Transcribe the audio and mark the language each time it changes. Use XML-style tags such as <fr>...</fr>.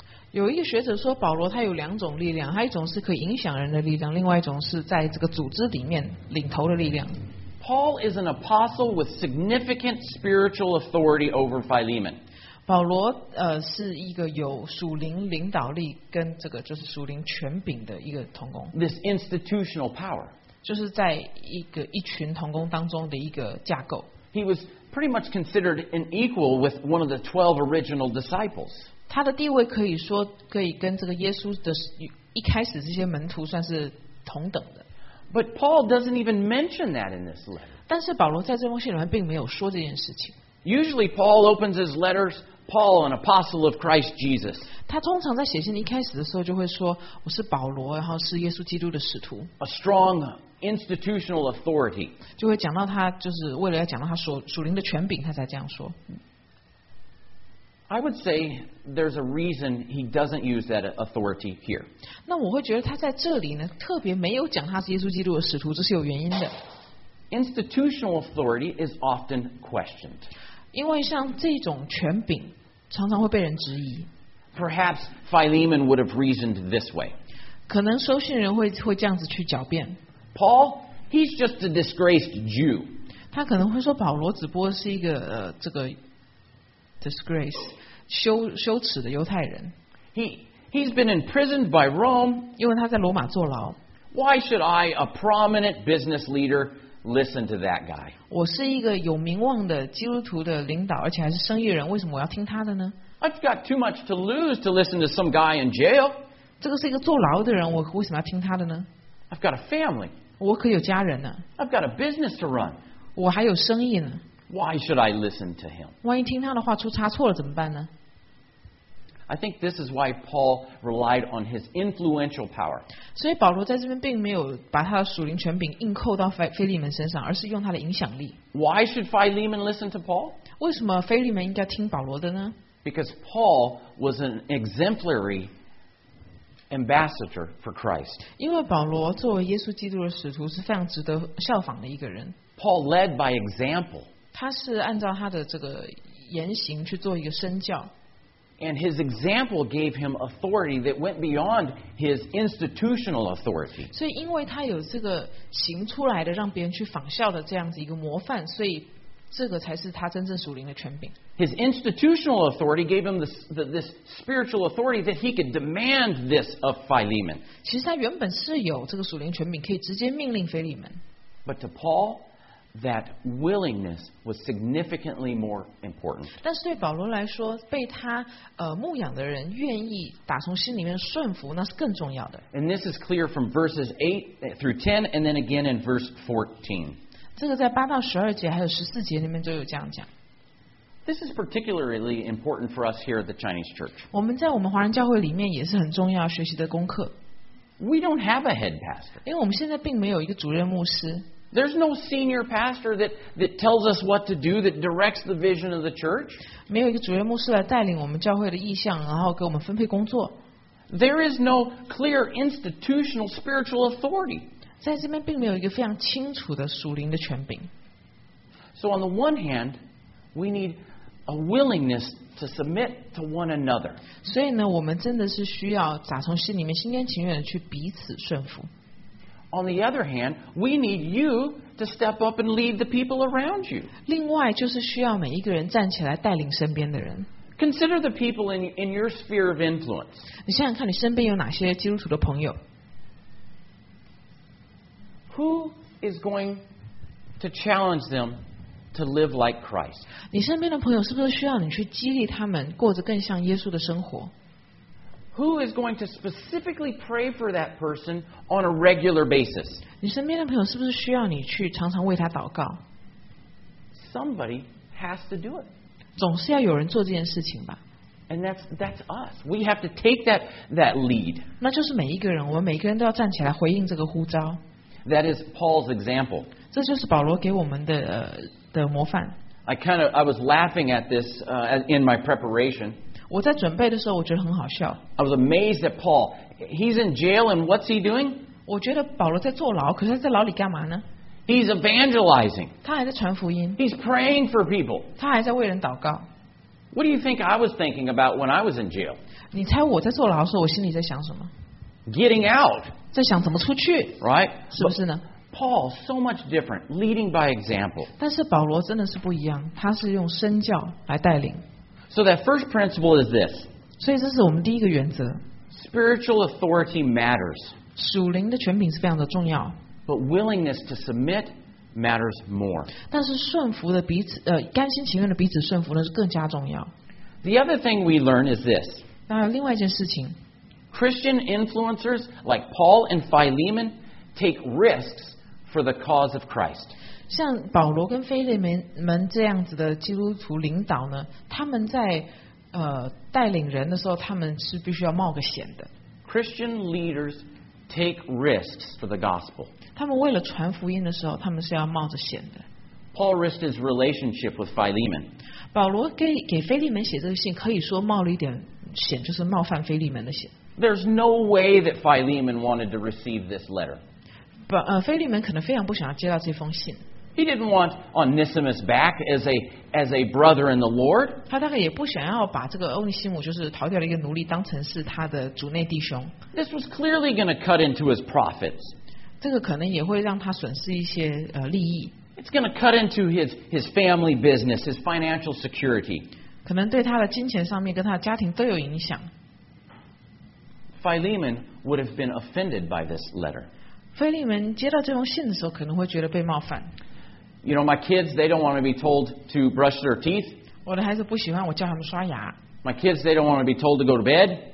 <zh>有一个学者说保罗他有两种力量，他一种是可以影响人的力量，另外一种是在这个组织里面领头的力量。</zh> <en>Paul is an apostle with significant spiritual authority over Philemon.</en> <zh>保罗是一个有属灵领导力跟这个就是属灵权柄的一个同工。</zh> <en>This institutional power.</en> <zh>就是在一个一群同工当中的一个架构。</zh> <en>He was pretty much considered an equal with one of the 12 original disciples.</en> <zh>他的地位可以说可以跟这个耶稣的一开始这些门徒算是同等的。</zh> <en>But Paul doesn't even mention that in this letter.</en> <zh>但是保罗在这封信里面并没有说这件事情。</zh> <en>Usually Paul opens his letters, Paul, an apostle of Christ Jesus.</en> <zh>他通常在写信一开始的时候就会说我是保罗，然后是耶稣基督的使徒。</zh> <en>A strong institutional authority.</en> <zh>就会讲到他就是为了要讲到他属灵的权柄，他才这样说。</zh> <en>I would say there's a reason he doesn't use that authority here.</en> <zh>那我会觉得他在这里呢，特别没有讲他是耶稣基督的使徒，这是有原因的。</zh> <en>Institutional authority is often questioned.</en> <zh>因为像这种权柄常常会被人质疑。</zh> <en>Perhaps Philemon would have reasoned this way.</en> <zh>可能收信人会这样子去狡辩。</zh> <en>Paul, he's just a disgraced Jew.</en> <zh>他可能会说保罗只不过是一个这个。Disgrace, 羞耻的犹太人。</zh> <en>He's been imprisoned by Rome.</en> <zh>因为他在罗马坐牢。</zh> <en>Why should I, a prominent business leader, listen to that guy?</en> <zh>我是一个有名望的基督徒的领导，而且还是生意人，为什么我要听他的呢？</zh> <en>I've got too much to lose to listen to some guy in jail.</en> <zh>这个是一个坐牢的人，我为什么要听他的呢？</zh> <en>I've got a family.</en> <zh>我可有家人呢。</zh> <en>I've got a business to run.</en> <zh>我还有生意呢。</zh> <en>Why should I listen to him?</en> <zh>万一听他的话出差错了怎么办呢？</zh> <en>I think this is why Paul relied on his influential power.</en> <zh>所以保罗在这边并没有把他的属灵权柄硬扣到腓利门身上，而是用他的影响力。</zh> <en>Why should Philemon listen to Paul?</en> <zh>为什么腓利门应该听保罗的呢？</zh> <en>Because Paul was an exemplary ambassador for Christ.</en> <zh>因为保罗作为耶稣基督的使徒是非常值得效仿的一个人。</zh> <en>Paul led by example.</en> <zh>他是按照他的这个言行去做一个身教。</zh> <en>And his example gave him authority that went beyond his institutional authority.</en> <zh>所以因为他有这个行出来的让别人去仿效的这样子一个模范，所以这个才是他真正属灵的权柄。</zh> <en>His institutional authority gave him this spiritual authority that he could demand this of Philemon.</en> <zh>其实他原本是有这个属灵权柄可以直接命令腓利门。</zh> <en>But to Paul,That willingness was significantly more important.</en> <zh>但是对保罗来说，被他牧养的人愿意打从心里面顺服，那是更重要的。</zh> <en>And this is clear from verses 8 through 10, and then again in verse 14.</en> <zh>这个在8到12节还有14节里面都有这样讲。</zh> <en>This is particularly important for us here at the Chinese Church.</en> <zh>我们在我们华人教会里面也是很重要学习的功课。</zh> <en>We don't have a head pastor.</en> <zh>因为我们现在并没有一个主任牧师。</zh> <en>There's no senior pastor that tells us what to do, that directs the vision of the church.</en> <zh>没有一个主任牧师来带领我们教会的意向，然后给我们分配工作。</zh> <en>There is no clear institutional spiritual authority.</en> <zh>在这边并没有一个非常清楚的属灵的权柄。</zh> <en>So on the one hand, we need a willingness to submit to one another.</en> <zh>所以呢，我们真的是需要打从心里面心甘情愿的去彼此顺服。</zh> <en>On the other hand, we need you to step up and lead the people around you.</en> <zh>另外就是需要每一个人站起来带领身边的人。</zh> <en>Consider the people in your sphere of influence.</en> <zh>你想想看你身边有哪些基督徒的朋友。</zh> <en>Who is going to challenge them to live like Christ?</en> <zh>你身边的朋友是不是需要你去激励他们过着更像耶稣的生活？</zh> <en>Who is going to specifically pray for that person on a regular basis?</en> <zh>你身边的朋友是不是需要你去常常为他祷告？</zh> <en>Somebody has to do it.</en> <zh>总是要有人做这件事情吧。</zh> <en>And that's us. We have to take that lead.</en> <zh>那就是每一个人，我们每一个人都要站起来回应这个呼召。</zh> <en>That is Paul's example.</en> <zh>这就是保罗给我们的的模范。</zh> <en>I was laughing at this in my preparation.</en> <zh>我在准备的时候我觉得很好笑。</zh> <en>I was amazed at Paul. He's in jail and what's he doing?</en> <zh>我觉得保罗在坐牢，可是他在牢里干嘛呢？</zh> <en>He's evangelizing.</en> <zh>他还在传福音。</zh> <en>He's praying for people.</en> <zh>他还在为人祷告。</zh> <en>What do you think I was thinking about when I was in jail?</en> <zh>你猜我在坐牢的时候我心里在想什么？</zh> <en>Getting out.</en> <zh>在想怎么出去。</zh> <en>Right?</en> <zh>是不是呢？</zh> <en>Paul, so much different, leading by example.</en> <zh>但是保罗真的是不一样，他是用身教来带领。</zh> <en>So that first principle is this.</en> <zh>所以这是我们第一个原则。</zh> <en>Spiritual authority matters.</en> <zh>属灵的权柄是非常的重要。</zh> <en>But willingness to submit matters more.</en> <zh>但是顺服的彼此，甘心情愿的彼此顺服呢是更加重要。</zh> <en>The other thing we learn is this.</en> <zh>那还有另外一件事情。</zh> <en>Christian influencers like Paul and Philemon take risks for the cause of Christ.</en> <zh>像保罗跟腓利门这样子的基督徒领导呢，他们在带领人的时候，他们是必须要冒个险的。</zh> <en>Christian leaders take risks for the gospel.</en> <zh>他们为了传福音的时候，他们是要冒着险的。</zh> <en>Paul risked his relationship with Philemon.</en> <zh>保罗给腓利门写这个信，可以说冒了一点险，就是冒犯腓利门的险。</zh> <en>There's no way that Philemon wanted to receive this letter.</en> <zh>腓利门可能非常不想要接到这封信。</zh> <en>He didn't want Onesimus back as a brother in the Lord.</en> <zh>他大概也不想要把这个欧尼西姆就是逃掉的一个奴隶当成是他的主内弟兄。</zh> <en>This was clearly going to cut into his profits.</en> <zh>这个可能也会让他损失一些利益。</zh> <en>It's going to cut into his family business, his financial security.</en> <zh>可能对他的金钱上面跟他的家庭都有影响。</zh> <en>Philemon would have been offended by this letter.</en> <zh>腓利门接到这封信的时候，可能会觉得被冒犯。</zh> <en>You know, my kids, they don't want to be told to brush their teeth.</en> <zh>我的孩子不喜欢我叫他们刷牙。</zh> <en>My kids, they don't want to be told to go to bed.</en>